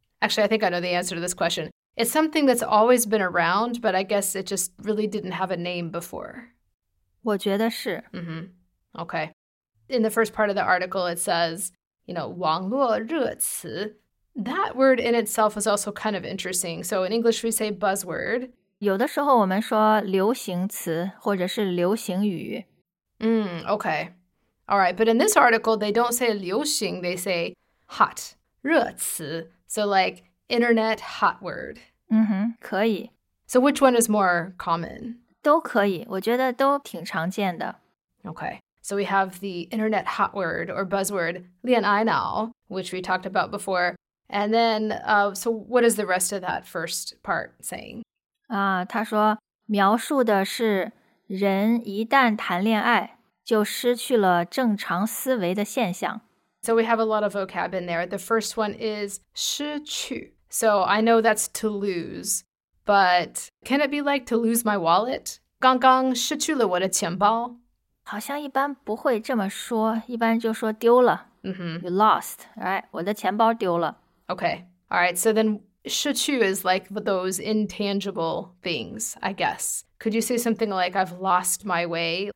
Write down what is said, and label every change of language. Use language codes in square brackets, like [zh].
[en] Actually, I think I know the answer to this question. It's something that's always been around, but I guess it just really didn't have a name before. [zh] 我觉得是。 [en] Mm-hmm. Okay. In the first part of the article, it says, you know, 网络热词. That word in itself is also kind of interesting. So in English, we say buzzword. [zh] 有的时候我们说流行词或者是流行语。 [en] Mm, okay. All right. But in this article, they don't say 流行, they say hot. 热词.So like, internet hot word. [zh] 嗯哼，可以。 [en] So which one is more common? [zh] 都可以，我觉得都挺常见的。 [en] Okay, so we have the internet hot word or buzzword, 恋爱脑, which we talked about before. And then, so what is the rest of that first part saying? [zh] 他说，描述的是人一旦谈恋爱，就失去了正常思维的现象。 [en] So we have a lot of vocab in there. The first one is 失去. So I know that's to lose, but can it be like to lose my wallet? [zh] 刚刚失去了我的钱包? 好像一般不会这么说,一般就说丢了。 Mm-hmm. [en] You lost, right? [zh] 我的钱包丢了。 [en] Okay, all right. So then 失去 is like those intangible things, I guess. Could you say something like I've lost my way?